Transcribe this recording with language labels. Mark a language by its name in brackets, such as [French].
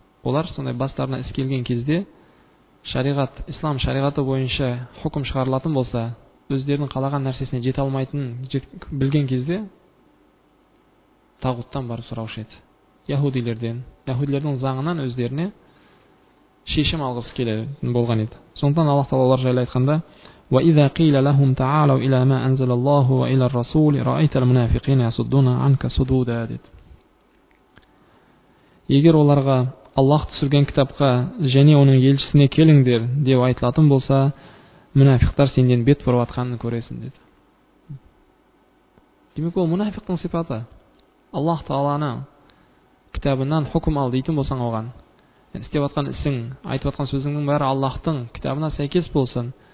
[Kazakh] Олар сондай бастарына іс келген кезде шариғат, ислам шариғаты бойынша хүкім шығарылатын болса, өздерінің қалаған нәрсесіне жете алмайтынын білген кезде тағуттан барып сұраушы еді. Яхудилерден, яхудилердің заңынан өздеріне шешім алғысы келетін болған еді. Сондықтан Аллах Таала олар жайлы айтқанда: [Arabic] وَإِذَا قِيلَ لَهُمْ تَعَالَوْا إِلَى مَا أَنزَلَ اللَّهُ وَإِلَى الرَّسُولِ رَأَيْتَ الْمُنَافِقِينَ يَصُدُّونَ عَنكَ صُدُودًا. [Kazakh] Егер оларға Аллах түсірген кітапқа және оның елшісіне келіңдер деп айтылатын болса, мүнафиқтар сенден бет бұрып атқанын көресің деді. Демек, ол мүнафиқтың сипаты. Аллах Тағаланы кітабынан хүкім ал дейтін болсаң оған, істеп атқан ісің, айтып атқан сөзіңнің бәрі Аллахтың кітабына сәйкес болсын.